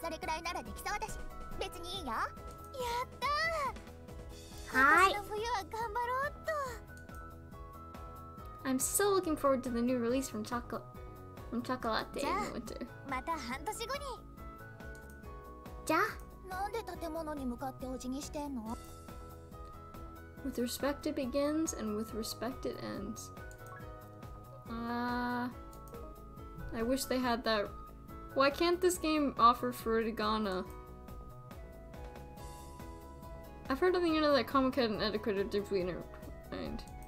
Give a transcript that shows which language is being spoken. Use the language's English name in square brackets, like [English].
[Japanese] それくらいならできそうだし。別にいいよ。やったー。 はい。今年の冬は頑張ろうっと。 [English] I'm so looking forward to the new release from chocolate. From chocolate in the winter. [Japanese] また半年後に。じゃあ。なんで建物に向かってお辞儀してんの？ [English] With respect it begins, and with respect it ends. I wish they had that. Why can't this game offer furigana? I've heard on the internet that Kamikaze and etiquette are deeply intertwined.